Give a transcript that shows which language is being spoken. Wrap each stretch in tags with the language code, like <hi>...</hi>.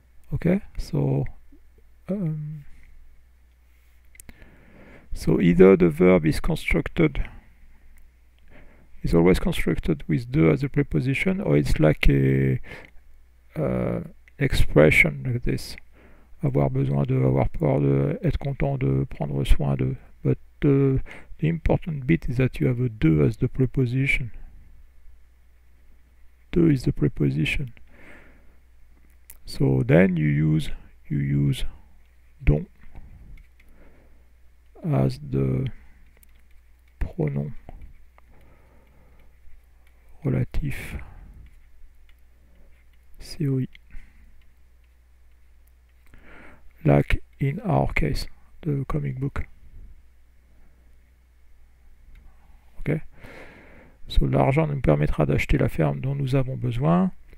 <en>OK, so so either the verb is constructed is always constructed with de as a preposition, or it's like a expression like this.</en> <fr>Avoir besoin de, avoir peur de, être content de, prendre soin de.</fr> <en>But the important bit is that you have a de as the preposition. De is the preposition. So then you use don as the pronom relatif COI, like in our case, the comic book. Okay. So</en> <fr>l'argent nous permettra d'acheter la ferme dont nous avons besoin.</fr>